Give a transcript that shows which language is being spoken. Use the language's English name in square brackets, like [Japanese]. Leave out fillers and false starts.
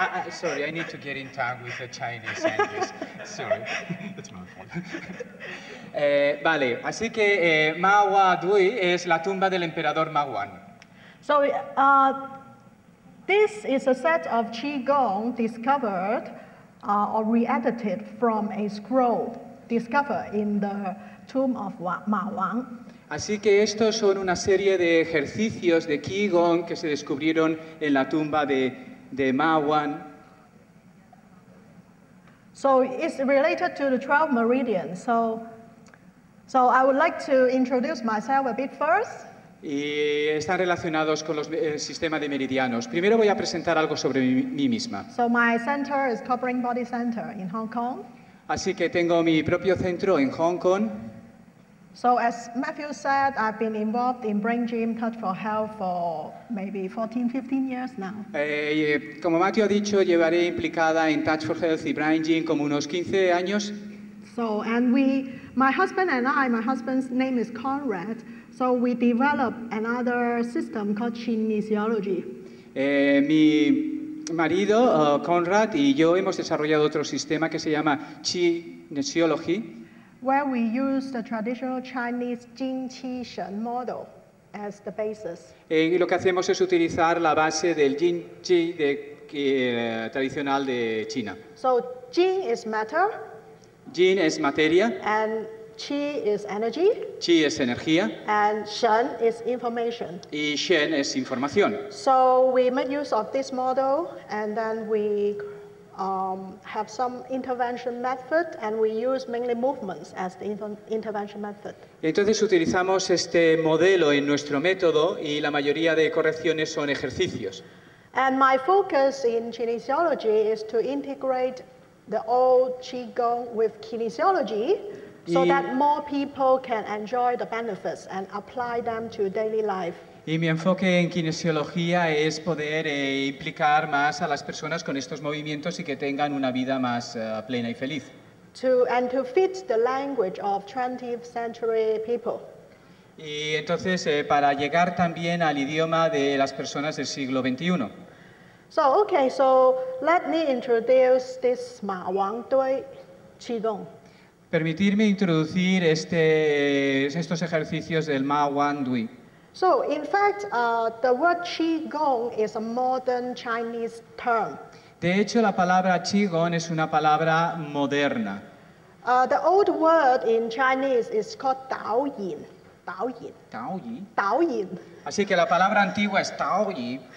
[English] Sorry, I need to get in touch with the Chinese scientists. Sorry. That's my fault. [Spanish] Vale, así que Mawa Dui es la tumba del emperador Mawan. [English] So, this is a set of Qigong discovered or re-edited from a scroll discovered in the tomb of Ma Wang. [Spanish] Así que estos son una serie de ejercicios de Qigong que se descubrieron en la tumba de Ma Wang. [English] So, it's related to the 12 meridians. So I would like to introduce myself a bit first. [Spanish] Y están relacionados con el sistema de meridianos. Primero voy a presentar algo sobre mí misma. [English] So my center is Copper Ring Body Center in Hong Kong. [Spanish] Así que tengo mi propio centro en Hong Kong. [English] So as Matthew said, I've been involved in Brain Gym Touch for Health for maybe 14, 15 years now. [Spanish] Como Matthew ha dicho, llevaré implicada en Touch for Health y Brain Gym como unos 15 años. [English] So, and my husband's name is Conrad. So we develop another system called kinesiology. [Spanish] Mi marido, Conrad, y yo hemos desarrollado otro sistema que se llama kinesiology. [English] Where we use the traditional Chinese Jing Qi Shen model as the basis. [Spanish] Y lo que hacemos es utilizar la base del Jing Qi tradicional de China. [English] So Jing is matter. [Spanish] Jing es materia. [English] And Qi is energy. [Spanish] Qi es energía. [English] And Shen is information. [Spanish] Y Shen es información. [English] So we make use of this model, and then we have some intervention method, and we use mainly movements as the intervention method. [Spanish] Entonces utilizamos este modelo en nuestro método, y la mayoría de correcciones son ejercicios. [English] And my focus in kinesiology is to integrate the old Qigong with kinesiology. So that more people can enjoy the benefits and apply them to daily life. [Spanish] Y mi enfoque en kinesiología es poder implicar más a las personas con estos movimientos y que tengan una vida más plena y feliz. [English] To fit the language of 20th century people. [Spanish] Y entonces para llegar también al idioma de las personas del siglo 21. [English] So okay, so let me introduce this Ma Wang Dui Qigong. [Spanish] Permitirme introducir estos ejercicios del Ma Wang Dui. [English] So, in fact, the word Qigong is a modern Chinese term. [Spanish] De hecho, la palabra Qigong es una palabra moderna. [English] The old word in Chinese is called Dao Yin. [Chinese] Dao Yin. Dao Yin. Dao Yin. [Spanish] Así que la palabra antigua es Dao Yin.